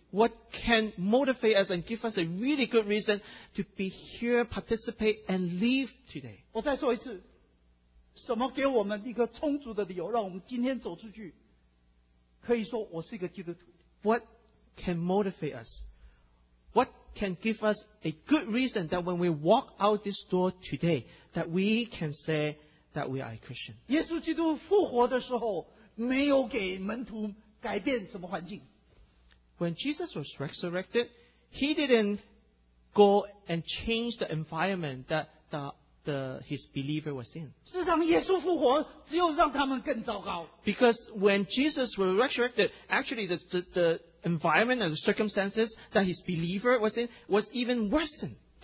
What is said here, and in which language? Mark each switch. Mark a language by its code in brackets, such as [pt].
[en] What can motivate us and give us a really good reason to be here, participate, and leave today? [zh] 我再说一次, 什么给我们一个充足的理由让我们今天走出去? 可以说我是一个基督徒。 [en] What can motivate us? What can give us a good reason that when we walk out this door today, that we can say that we are a Christian? [zh] 耶稣基督复活的时候, 没有给门徒改变什么环境。 [en] When Jesus was resurrected, he didn't go and change the environment that his believer was in. [zh] 事实上耶稣复活只有让他们更糟糕。 [en] Because when Jesus was resurrected, actually the environment and the circumstances that his believer was in was even worsened.